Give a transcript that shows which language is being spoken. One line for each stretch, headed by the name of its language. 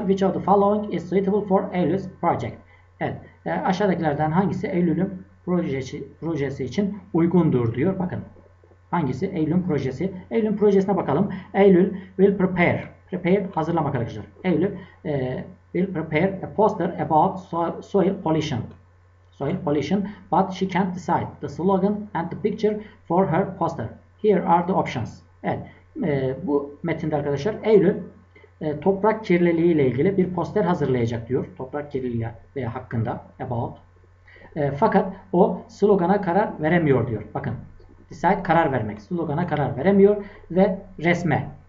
English: Which of the following is suitable for Eylül's project?
Turkish: Evet, aşağıdakilerden hangisi Eylül'ün projesi için uygundur diyor. Bakın, hangisi Eylül'ün projesi? Eylül'ün projesine bakalım.
English: Eylül will prepare. Prepare,
Turkish: hazırlamak arkadaşlar.
English: Eylül will prepare a poster about soil pollution. Soil pollution, but she can't decide the slogan and the picture for her poster. Here are the options.
Turkish: Evet, bu metinde arkadaşlar Eylül toprak kirliliği ile ilgili bir poster hazırlayacak diyor. Toprak kirliliği veya hakkında about. Fakat o slogana karar veremiyor diyor. Bakın, decide karar vermek. Slogana karar veremiyor ve resme.